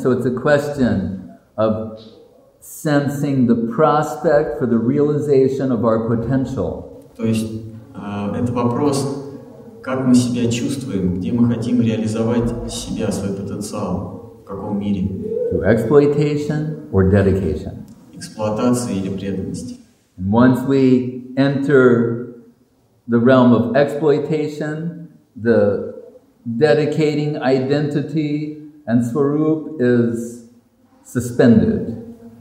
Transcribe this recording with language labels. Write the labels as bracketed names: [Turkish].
[English] So it's a question of sensing the prospect for the realization of our potential. [Russian] То есть это вопрос, как мы себя чувствуем, где мы хотим реализовать себя, свой потенциал, в каком мире. [English] Through exploitation or dedication. [Russian] Эксплуатация или преданность. [English] And once we enter the realm of exploitation, the dedicating identity and swarup is suspended.